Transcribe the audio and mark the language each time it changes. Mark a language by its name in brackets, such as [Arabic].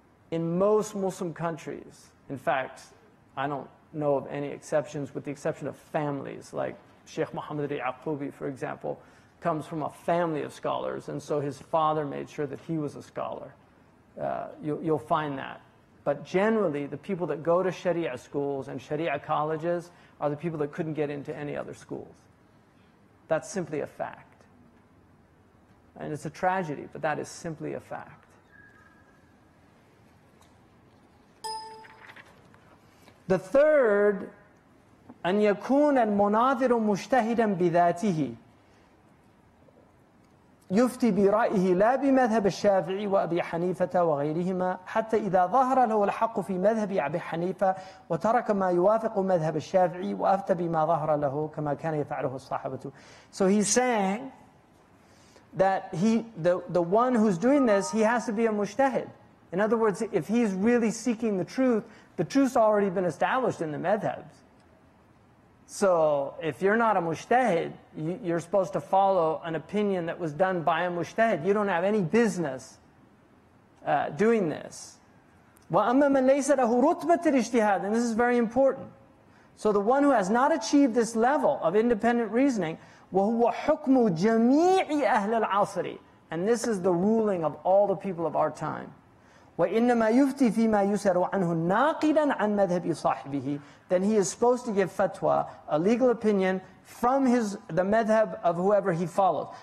[English] In most Muslim countries, in fact, I don't know of any exceptions, with the exception of families, like Shaykh Muhammad al-Yaqubi, for example, comes from a family of scholars, and so his father made sure that he was a scholar. You'll find that. But generally, the people that go to Sharia schools and Sharia colleges are the people that couldn't get into any other schools. That's simply a fact. And it's a tragedy, but that is simply a fact. The third, [Arabic] أن يكون المناظر مجتهدا بذاته يفتي برأيه لا بمذهب الشافعي وأبي حنيفة وغيرهما حتى إذا ظهر له الحق في مذهب أبي حنيفة وترك ما يوافق مذهب الشافعي وأفتى بما ظهر له كما كان يفعله الصحابة. [English] So he's saying that the one who's doing this, he has to be a mujtahid. In other words, if he's really seeking the truth's already been established in the madhabs. So if you're not a mujtahid, you're supposed to follow an opinion that was done by a mujtahid. You don't have any business doing this. [Arabic] وَأَمَّا مَنْ لَيْسَ لَهُ رُتْبَةِ الْإِجْتِهَادِ [English] And this is very important. So the one who has not achieved this level of independent reasoning, [Arabic] وَهُوَ حُكْمُ جَمِيعِ أَهْلِ الْعَصْرِ [English] And this is the ruling of all the people of our time. [Arabic] وَإِنَّمَا يُفْتِي فِي مَا يُسَرُ عَنْهُ نَاقِدًا عَنْ مَذْهَبِ صَاحِبِهِ [English] Then he is supposed to give fatwa, a legal opinion, from his the madhab of whoever he follows.